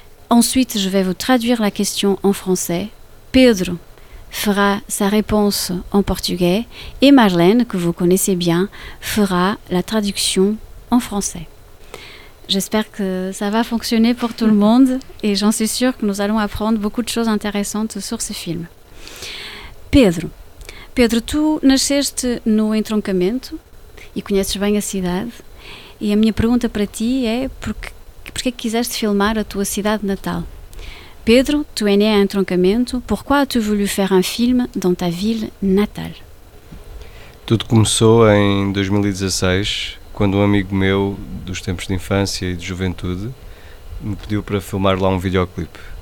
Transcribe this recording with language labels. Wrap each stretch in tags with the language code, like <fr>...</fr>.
<fr>Ensuite, je vais vous traduire la question en français. Pedro fera sa réponse en portugais et Marlène, que vous connaissez bien, fera la traduction en français. J'espère que ça va fonctionner pour tout le monde et j'en suis sûre que nous allons apprendre beaucoup de choses intéressantes sur ce film.</fr> <pt>Pedro, tu nasceste no Entroncamento e conheces bem a cidade. E a minha pergunta para ti é porque é que quiseste filmar a tua cidade natal?</pt> <fr>Pedro, tu es né à Entroncamento, pourquoi as-tu voulu faire un film dans ta ville natale?</fr> <pt>Tudo começou em 2016. Quando um amigo meu, dos tempos de infância e de juventude, me pediu para filmar lá um videoclipe.</pt>